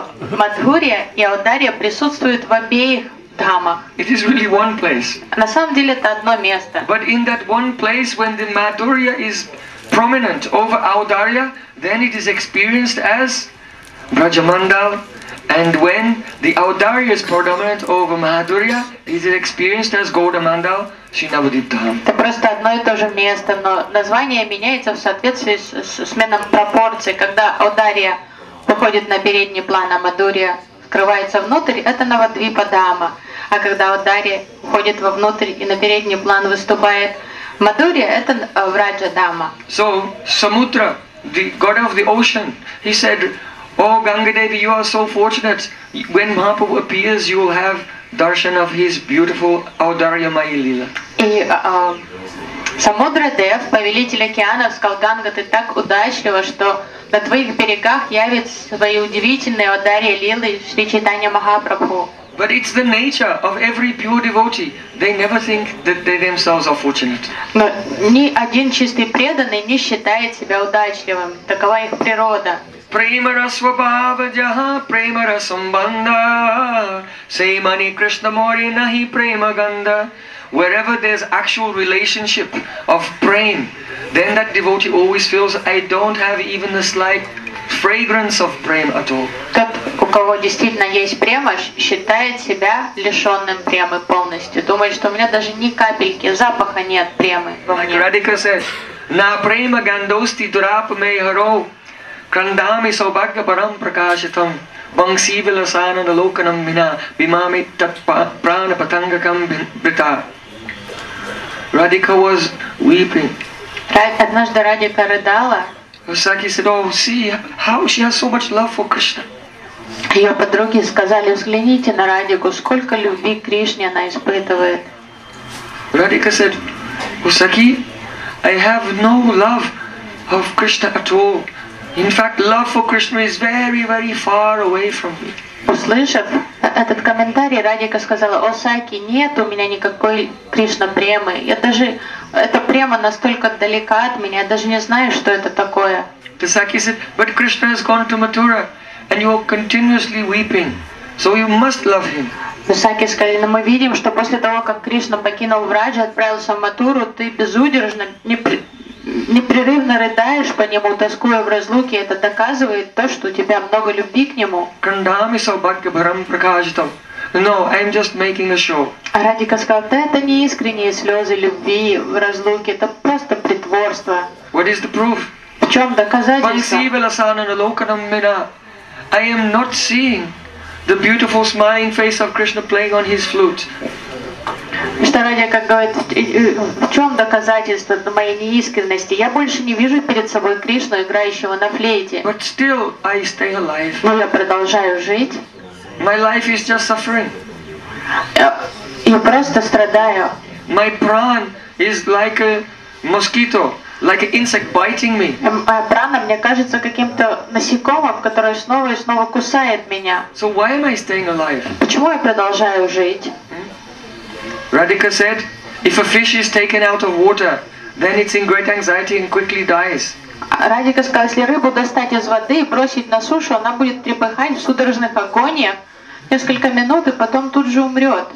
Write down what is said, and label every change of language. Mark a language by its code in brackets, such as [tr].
[ru] Мадхурья и Аударья присутствуют в обеих дамах. [en] It is really one place. [ru] На самом деле это одно место. [en] But in that one place, when the Madhurya is prominent over Audharya, then it is experienced as Vrajamandal. And when the Audharya is predominant over Madhurya, it is experienced as Gaudamandal, Shrinavaditdham. [ru] Это просто одно и то же место, но название меняется в соответствии с сменом пропорций. Когда Audharya выходит на передний план, а Мадхурья скрывается внутрь, это Навадвипа-дхама. А когда Audharya уходит вовнутрь и на передний план выступает Мадхурья, это Враджа-дхама. [en] So, Samudra, the god of the ocean, he said, О, Гангадеви, you are so fortunate. When Mahaprabhu appears, you will have darshan of his beautiful Audharya Mayi Lila. [ru] И Самудра Дев, повелитель океанов, сказал, Ганга, ты так удачлива, что на твоих берегах явится свои удивительные Audharya Лилы Шри Чайтанья Махапрабху. [en] But it's the nature of every pure devotee. They never think that they themselves are fortunate. [ru] Но ни один чистый преданный не считает себя удачливым. Такова их природа. [sa] Prema rasva bhava jaha prema rasambandha Se mani krishna mori nahi prema ganda [en] Wherever there's actual relationship of prema, then that devotee always feels I don't have even the slight fragrance of prema at all. [ru] Тот, у кого действительно есть према, считает себя лишенным премы полностью. Думает, что у меня даже ни капельки запаха нет премы во мне. [en] Like Radhika says, [sa] na prema gandosti durap meharo Крандами саубагья парам пракашитам, бангси виласана налоканам вина, бимами татпа прана патангакам брита. [en] Радика was weeping. [ru] Однажды Радика рыдала. [en] Саки said, oh, see, how she has so much love for Krishna. [ru] Ее подруги сказали, взгляните на Радику, сколько любви к Кришне она испытывает. [en] Радика said, Саки, I have no love of Krishna at all. In fact, love for Krishna is very, very far away from me. [ru] Услышав этот комментарий, Радика сказала: "О Саки, нет у меня никакой Кришна премы. Я даже эта према настолько далека от меня, я даже не знаю, что это такое." [en] The Saki said, "But Krishna has gone to Mathura, and you are continuously weeping. So you must love him." [ru] Саки сказали: "Но мы видим, что после того, как Кришна покинул Враджа, отправился в Матуру, ты безудержно непрерывно рыдаешь по нему, тоскуя в разлуке, это доказывает то, что у тебя много любви к нему." [sa] Крандами саубагья парам пракашитам. [en] No, I'm just making a show. [ru] А Радика сказала, да это не искренние слезы любви в разлуке, это просто притворство. [en] What is the proof? [ru] В чем доказательство? [sa] Банси веласана налоканам мина. [en] I am not seeing the beautiful smiling face of Krishna playing on his flute. [ru] Что Радика как говорит, в чем доказательство моей неискренности? Я больше не вижу перед собой Кришну, играющего на флейте. [en] But still I stay alive. [ru] Но я продолжаю жить. [en] My life is just suffering. [ru] Я просто страдаю. [en] My pran is like a mosquito, like an insect biting me. [ru] Моя прана мне кажется каким-то насекомым, которое снова и снова кусает меня. [en] So why am I staying alive? [ru] Почему я продолжаю жить? [en] Radhika said, if a fish is taken out of water, then it's in great anxiety and quickly dies. [ru] Radhika сказала, если рыбу достать из воды и бросить на сушу, она будет трепыхать в судорожных агониях несколько минут и потом тут же умрет.